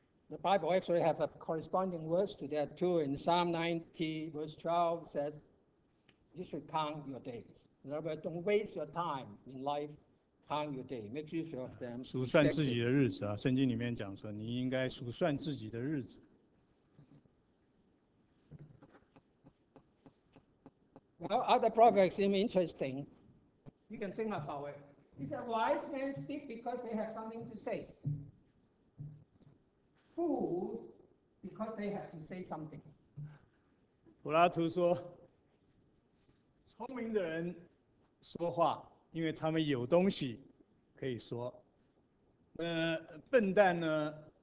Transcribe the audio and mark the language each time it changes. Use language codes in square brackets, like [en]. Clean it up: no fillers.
[en] The Bible actually has a corresponding verse to that too. In Psalm 90 verse 12 said, you should count your days. In other words, don't waste your time in life. Count your day. Make use of them. [zh] 数算自己的日子啊，圣经里面讲说，你应该数算自己的日子。 [en] Well, other proverbs seem interesting. You can think about it. He said, wise men speak because they have something to say. Fools, because they have to say something. [zh] 柏拉图说，聪明的人说话，因为他们有东西可以说。笨蛋呢？